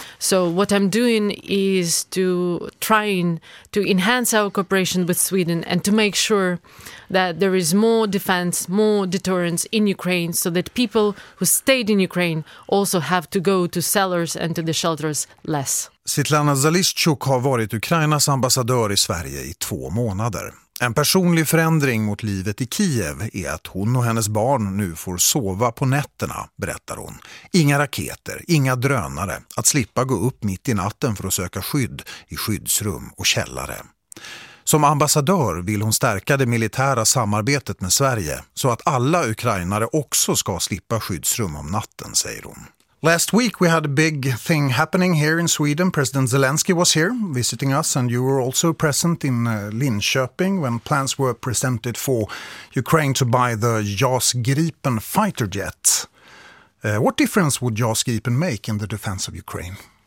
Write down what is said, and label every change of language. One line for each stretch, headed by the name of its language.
English: So what I'm doing is to trying to enhance our cooperation with Sweden and to make sure that there is more defense, more deterrence in Ukraine so that people who stayed in Ukraine also have to go to cellars and to the shelters less.
Swedish: Svetlana Zaliszczuk har varit Ukrainas ambassadör i Sverige i 2 månader. En personlig förändring mot livet i Kiev är att hon och hennes barn nu får sova på nätterna, berättar hon. Inga raketer, inga drönare, att slippa gå upp mitt i natten för att söka skydd i skyddsrum och källare. Som ambassadör vill hon stärka det militära samarbetet med Sverige så att alla ukrainare också ska slippa skyddsrum om natten, säger hon.
English: Last week we had a big thing happening here in Sweden. President Zelensky was here visiting us and you were also present in Linköping when plans were presented for Ukraine to buy the JAS Gripen fighter jet. What difference would JAS Gripen make in the defense of Ukraine?